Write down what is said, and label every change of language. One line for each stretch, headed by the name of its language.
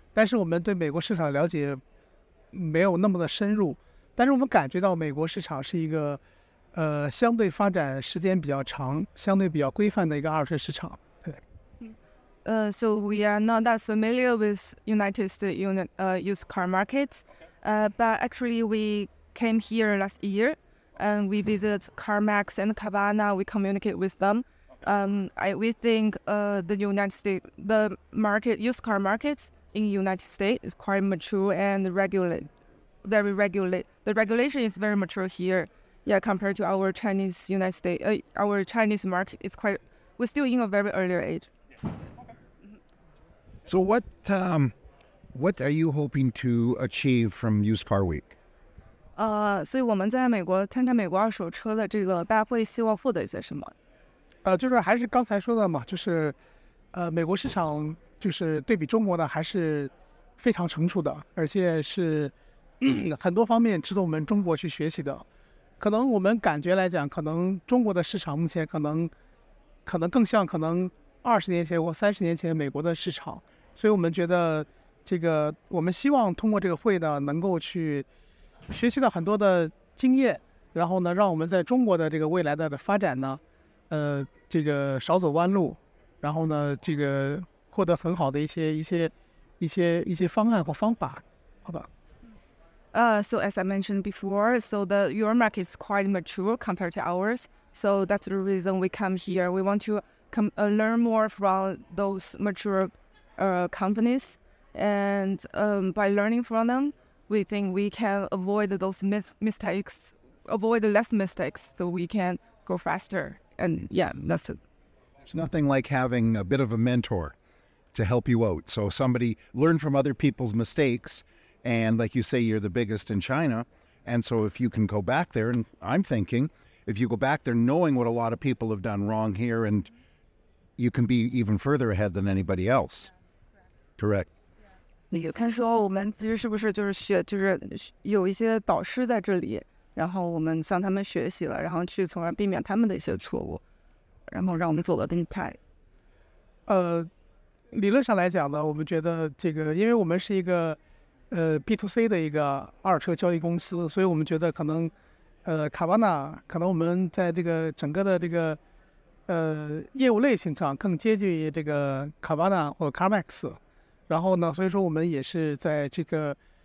Chinese: 但是我们对美国市场了解没有那么的深入，但是我们感觉到美国市场是一个。相对发展时间比较长，相对比较规范的一个二手车市场。对。
English: So we are not that familiar with United States used car markets. But actually, we came here last year, and we visit CarMax and Carvana. We communicate with them. We think the United States, the market, used car markets in United States is quite mature and regulated. Very regulated. The regulation is very mature here. Yeah, compared to our Chinese United States, our Chinese market is quite, we're still in a very earlier age. So what are you hoping to achieve from Used Car Week?
Chinese: 所以我们在美国参加美国二手车的这个大会希望获得一些什么？就是还是刚才说的嘛，就是美国市场就是对比中国呢还是非常成熟的，而且是很多方面值得我们中国去学习的。可能我们感觉来讲，可能中国的市场目前可能更像可能20年前或30年前美国的市场，所以我们觉得这个我们希望通过这个会呢，能够去学习到很多的经验，然后呢，让我们在中国的这个未来的发展呢，这个少走弯路，然后呢，这个获得很好的一些方案或方法，好吧？
English: So as I mentioned before, so the your market is quite mature compared to ours. So that's the reason we come here. We want to learn more from those mature companies. And by learning from them, we think we can avoid those mistakes, avoid less mistakes, so we can go faster. And yeah, that's it. There's nothing like having a bit of a mentor to help you out. So somebody learn from other people's mistakes. And like you say, you're the biggest in China. And so if you can go back there, and I'm thinking, if you go back there knowing what a lot of people have done wrong here, and you can be even further ahead than anybody else. Correct.
Chinese: 你看说我们其实是不是就是学，就是有一些导师在这里，然后我们向他们学习了，然后去从而避免他们的一些错误，然后让我们走得更快。理论上来讲呢，我们觉得这个，因为我们是一个B2C 的一个二手车交易公司，所以我们觉得可能卡巴纳可能我们在这个整个的这个业务类型上更接近于这个卡巴纳或 CarMax， 然后呢，所以说我们也是在这个